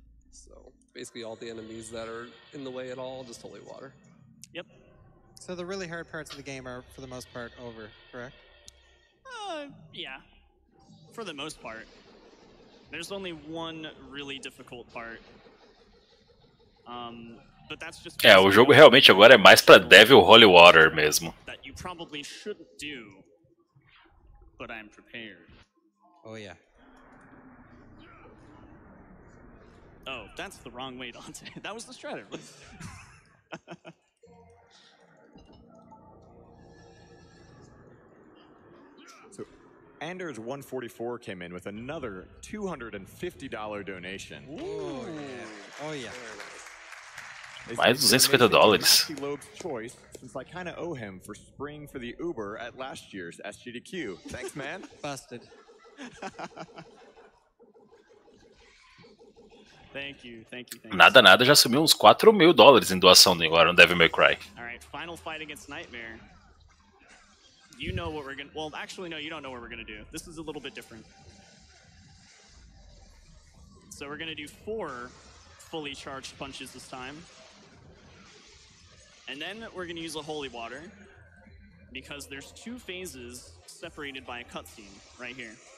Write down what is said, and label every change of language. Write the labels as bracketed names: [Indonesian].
[English] So basically all the enemies that are in the way at all, just totally water. Yep. So the really hard parts of the game are for the most part over, correct? Yeah. For the most part, there's only one really difficult part, but that's just. [Portuguese] É, o jogo realmente agora é mais para Devil Holy Water mesmo. [English] That you probably shouldn't do, but I'm prepared. Oh yeah. Oh, that's the wrong way, Dante. That was the Strider. Anders 144 came in with another $250 donation. Ooh. Oh yeah. Oh yeah. [Portuguese] Mais $250. [English] Since I kind of owe him for spring for the Uber at last year's SGDQ. Thanks, man. Busted. Thank you. [Portuguese] Nada, já sumiu uns $4,000 em doação agora no Devil May Cry. [English] All right, final fight against Nightmare. You know what we're going to... Well, actually, no, you don't know what we're going to do. This is a little bit different. So we're going to do 4 fully charged punches this time. And then we're going to use a holy water because there's 2 phases separated by a cutscene right here.